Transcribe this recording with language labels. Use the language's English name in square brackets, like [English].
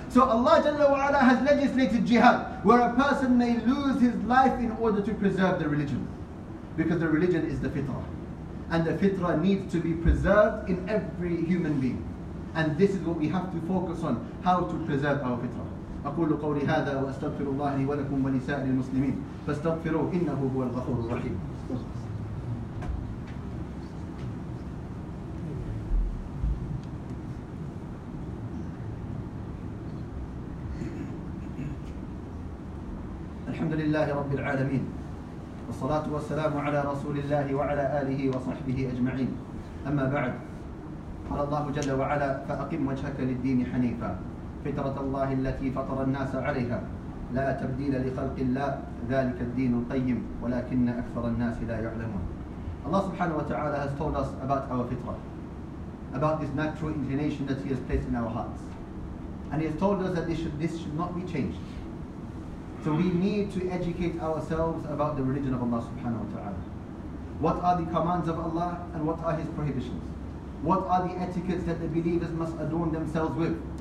[English] So Allah Jalla wa Ala has legislated jihad, where a person may lose his life in order to preserve the religion. Because the religion is the fitrah. And the fitrah needs to be preserved in every human being. And this is what we have to focus on, how to preserve our fitrah. [Arabic] أقول قولي هذا وأستغفر الله لي ولكم ولسائر المسلمين فاستغفروه إنه هو الغفور الرحيم. الحمد لله رب العالمين والصلاة والسلام على رسول الله وعلى آله وصحبه أجمعين. أما بعد، قال الله جل وعلا فأقم وجهك للدين حنيفا فطرة الله التي فطر الناس عليها لا تبديل لخلق الله ذلك الدين القيم ولكن أكثر الناس لا يعلمون. [English] Allah subhanahu wa ta'ala has told us about our fitrah, about this natural inclination that He has placed in our hearts. And He has told us that this should not be changed. So we need to educate ourselves about the religion of Allah subhanahu wa ta'ala. What are the commands of Allah and what are His prohibitions? What are the etiquettes that the believers must adorn themselves with?